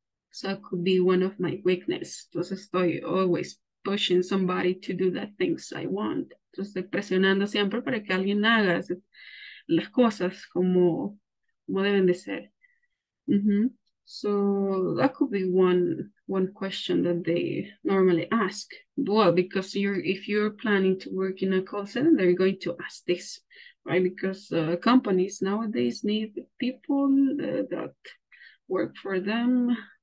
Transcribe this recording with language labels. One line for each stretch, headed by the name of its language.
English: So it could be one of my weakness.
Spanish: Entonces estoy
English: always pushing somebody to do the things I want.
Spanish: Entonces presionando siempre para que alguien haga las cosas como deben de ser. Mm-hmm.
English: So that could be one question that they normally ask. Well, because if you're planning to work in a call center, they're going to ask this, right? Because companies nowadays need people that work for them.